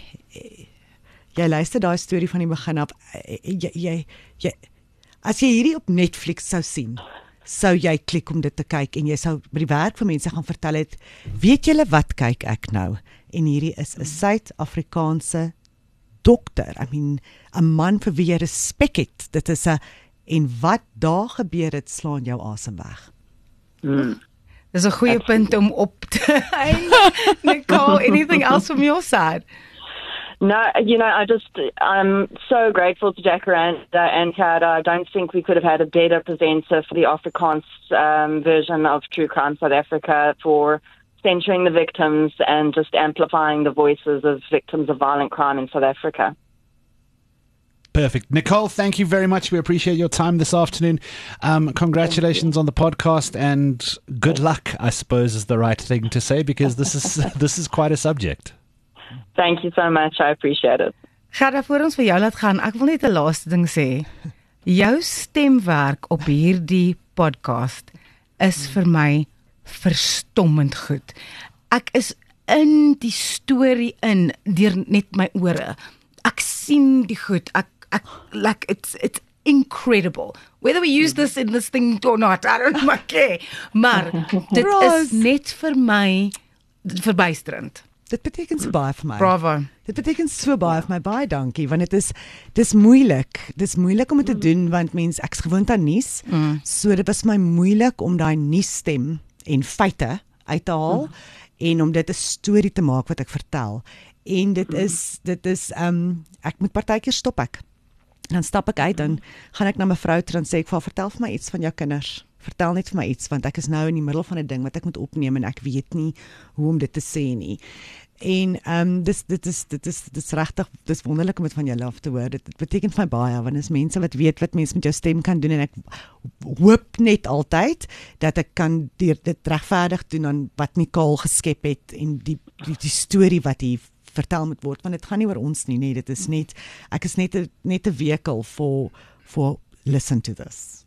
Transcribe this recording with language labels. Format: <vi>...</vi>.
<af>Jy luister daai storie van die begin af. Jy, as jy hierdie op Netflix sou sien, sou jy klik om dit te kyk en jy sou by die werk van mense gaan vertel het, weet julle wat kyk ek nou? En hierdie is 'n Suid-Afrikaanse dokter.</af> <en>I mean,</en> <af>'n man vir wie jy respek het. Dit is 'n, en wat daar gebeur het, slaan jou asem weg. Dis 'n goeie punt om op te eind.</af> <en>Nicole, anything else from your side? No, you know, I'm so grateful to Jacaranda and Tada. I don't think we could have had a better presenter for the Afrikaans version of True Crime South Africa, for centering the victims and just amplifying the voices of victims of violent crime in South Africa. Perfect. Nicole, thank you very much. We appreciate your time this afternoon. Congratulations on the podcast, and good luck, I suppose, is the right thing to say, because this is quite a subject. Thank you so much. I appreciate it.</en> <af>Gerda, voor ons vir jou laat gaan, ek wil net 'n laaste ding sê. Jou stemwerk op hierdie podcast is vir my verstommend goed. Ek is in die storie in deur net my ore. Ek sien die goed. Ek</af> <en>like it's incredible. Whether we use this in this thing or not, I don't care.</en> <af>Maar dit is net vir my verbuisterend. Dit beteken so baie vir my. Bravo. Dit beteken so baie vir my. Baie dankie, want dit is moeilik. Dis moeilik om dit te doen, want mens, ek is gewoond aan nuus. So dit was my moeilik om daai nuusstem en feite uit te haal en om dit 'n storie te maak wat ek vertel. En dit is ek moet partykeer stop ek. Dan stap ek uit en gaan ek na my vrou toe en sê ek vir haar, vertel vir my iets van jou kinders. Vertel net vir my iets, want ek is nou in die middel van 'n ding wat ek moet opneem en ek weet nie hoe om dit te sê nie. En dis wonderlik om dit van jou af te hoor. Dit beteken vir my baie, want is mense wat weet wat mense met jou stem kan doen en ek hoop net altyd dat ek kan dit regverdig doen aan wat Nicole geskep het en die storie wat hier vertel moet word, want dit gaan nie oor ons nie, nee, dit is net, ek is net 'n wekel</af> <en>for listen to this.</en>